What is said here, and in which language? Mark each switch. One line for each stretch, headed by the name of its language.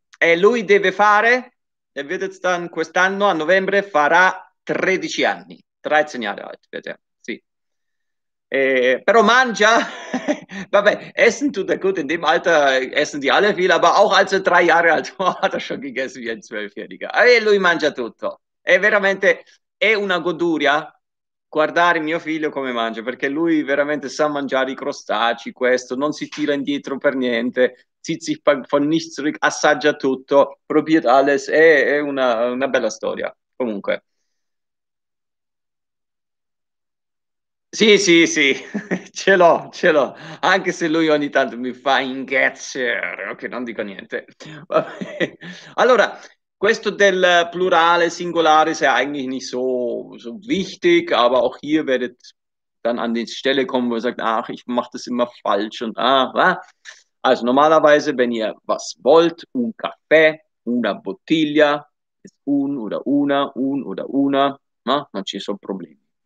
Italian: E lui deve fare, e vedete
German: dann
Italian: quest'anno a novembre farà 13 anni.
German: 13 Jahre alt,
Italian: vedete? Sì. Però mangia.
German: Vabbè, essen tut er gut, in dem Alter essen die alle viel, aber auch als er 3 Jahre alt war, hat er schon gegessen wie ein 12-Jähriger.
Italian: E lui mangia tutto. È veramente, è una goduria guardare mio figlio come mangia, perché lui veramente sa mangiare i crostacei, questo, non si tira indietro per niente,
German: zieht sich von nichts zurück,
Italian: assaggia tutto,
German: probiert alles,
Italian: è una bella storia, comunque. Sì, sì, sì, ce l'ho, anche se lui ogni tanto mi fa inghezzere, ok, non dico niente. Vabbè. Allora, questo del plurale, singolare,
German: ist eigentlich nicht so wichtig, aber auch hier werdet dann an die Stelle kommen, wo ihr sagt, ach, ich mache das immer falsch und Also normalerweise, wenn ihr was wollt,
Italian: un caffè, una bottiglia,
German: ist un oder una,
Italian: ma? Non ci sono problemi.